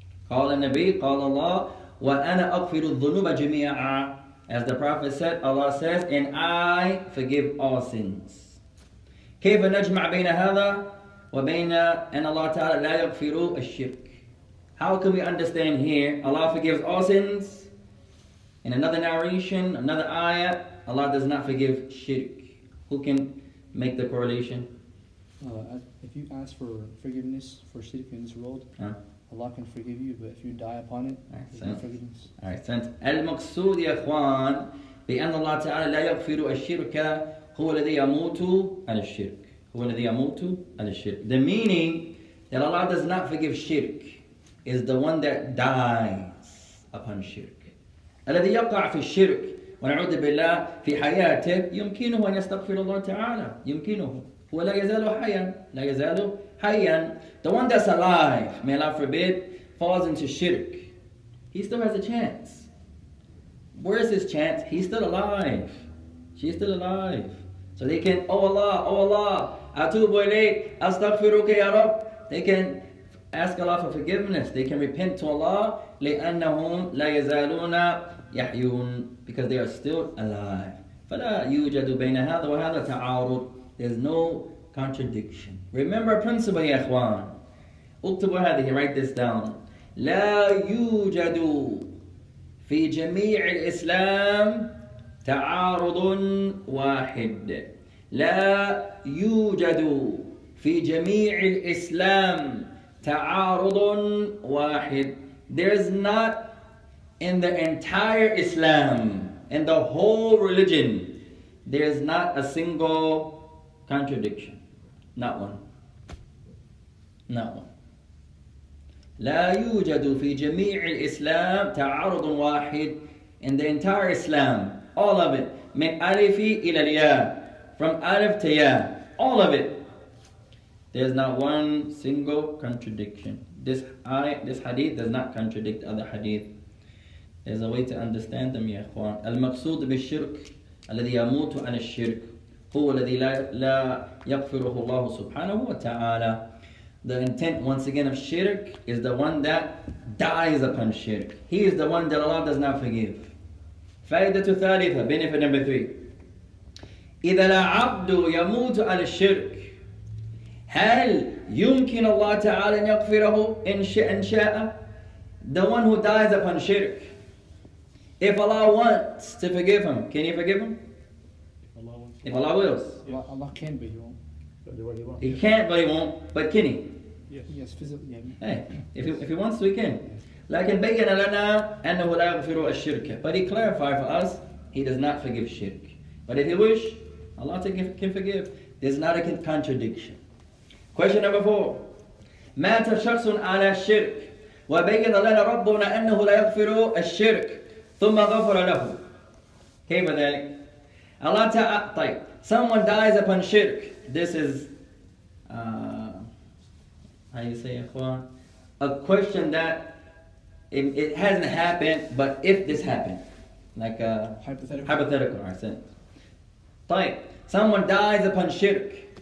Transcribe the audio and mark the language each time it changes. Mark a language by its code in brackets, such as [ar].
[ar] قال النبي قال الله وأنا أغفر الذنوب جميعا. [en] As the Prophet said, Allah says, and I forgive all sins. [ar] كيف نجمع بين هذا وبين أن الله تعالى لا يغفر الشرك. [en] How can we understand here? Allah forgives all sins. In another narration, another ayah, Allah does not forgive shirk. Who can make the correlation? If you ask for forgiveness for shirk in this world, Allah can forgive you, but if you die upon it, there's no forgiveness. [ar] Al-Maqsud, ya Ikhwan, بأن الله تعالى لا يغفر الشرك هو الذي يموت على الشرك هو الذي يموت على الشرك. [en] The meaning that Allah does not forgive shirk is the one that dies upon shirk. [ar] الذي يقع في الشرك ونعود بالله في حياته يمكنه أن يستغفر الله تعالى يمكنه هو لا يزال حيا لا يزال حيا. [en] The one that's alive, may Allah forbid, falls into shirk, he still has a chance. Where's his chance? He's still alive. She's still alive. So they can, oh Allah, [ar] atubu ilayk, astaghfiruka ya Rabb. [en] They can ask Allah for forgiveness. They can repent to Allah. [ar] لِأَنَّهُمْ لَا يَزَالُونَ يَحْيُونَ. [en] Because they are still alive. [ar] فَلَا يُوجَدُ بَيْنَ هَذَا وَهَذَا تَعَارُضُ. [en] There's no contradiction. Remember principle, ya ikhwan. [ar] اُكْتُبُ هَذِهِ. [en] Write this down. [ar] لَا يُوجَدُ في جميع الإسلام تعارض واحد. لا يوجد في جميع الإسلام تعارض واحد. [en] There is not in the entire Islam, in the whole religion, there is not a single contradiction. Not one. Not one. [ar] لا يوجد في جميع الإسلام تعارض واحد. [en] In the entire Islam, all of it, [ar] من ألف إلى الياء, [en] from ألف to ياء, all of it, there's not one single contradiction. This hadith does not contradict other hadith. There's a way to understand them, [ar] يا إخوان. المقصود بالشرك الذي يموت عن الشرك هو الذي لا يغفره الله سبحانه وتعالى. [en] The intent, once again, of shirk is the one that dies upon shirk. He is the one that Allah does not forgive. [ar] Faidatu thalitha, [en] benefit number three. [ar] إذا العبد يموت على الشرك هل يمكن الله تعالى أن يغفره إن شاء إن شاء. [en] The one who dies upon shirk, if Allah wants to forgive him, can He forgive him? If Allah wills. Yes. Allah can, but He won't. He can't, but he won't. But can he? Yes, physically. Hey, if he wants, we can. [ar] لكن بين لنا أنه لا يغفر الشرك. [en] But he clarified for us, he does not forgive shirk. But if he wish, Allah can forgive. There's not a contradiction. Question number four. [ar] مات شخص على الشرك وبين لنا ربنا أنه لا يغفر الشرك ثم غفر له. كيف ذلك؟ Allah تعالى. [en] طيب. Someone dies upon shirk. This is, how you say, a question that it hasn't happened, but if this happened, like a hypothetical. Right. Someone dies upon shirk.